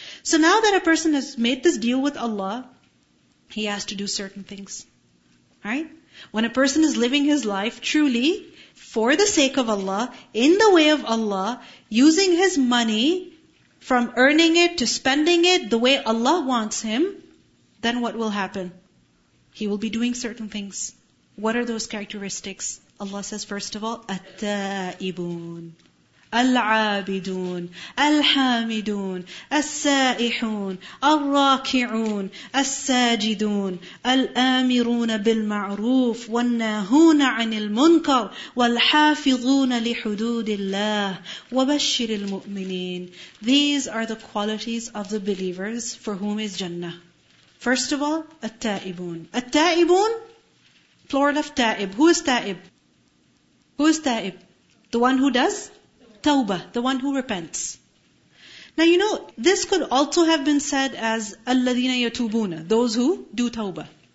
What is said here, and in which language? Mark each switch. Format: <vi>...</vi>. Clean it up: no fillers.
<en>So now that a person has made this deal with Allah, he has to do certain things. Right? When a person is living his life truly, for the sake of Allah, in the way of Allah, using his money, from earning it to spending it the way Allah wants him, then what will happen? He will be doing certain things. What are those characteristics? Allah says, first of all,</en> <ar>التائبون العابدون الحامدون السائحون الراكعون الساجدون الآمرون بالمعروف والناهون عن المنكر والحافظون لحدود الله وبشر المؤمنين.</ar> <en>These are the qualities of the believers for whom is Jannah. First of all, التائبون. التائبون, plural of تائب. Who is تائب? Who is تائب? The one who does tawbah, the one who repents. Now you know, this could also have been said as</en> <ar>الَّذِينَ يَتُوبُونَ,</ar> <en>those who do tawbah.</en>